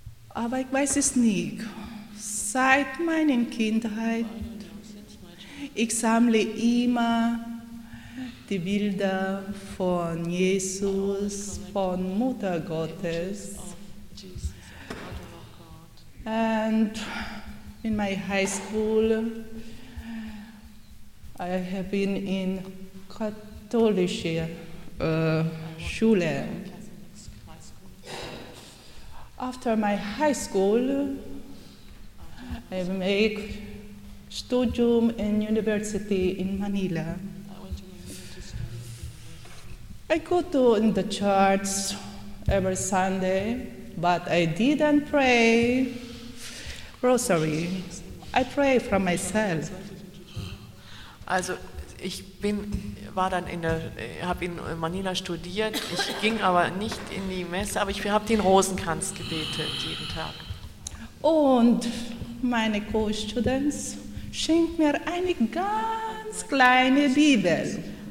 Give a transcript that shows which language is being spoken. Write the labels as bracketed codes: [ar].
[de] Aber ich weiß es nicht. Seit meiner Kindheit, ich sammle immer die Bilder von Jesus, von Mutter Gottes. [en] Und in my high school, I have been in [de] katholische Schule. [en] After my high school, I make studium in university in Manila. I go to in the church every Sunday, but I didn't pray rosary. I pray for myself. [de] Also, ich bin war dann in der, habe in Manila studiert. Ich ging aber nicht in die Messe, aber ich habe den Rosenkranz gebetet jeden Tag. Und meine Co-Students schenkt mir eine ganz kleine Bibel.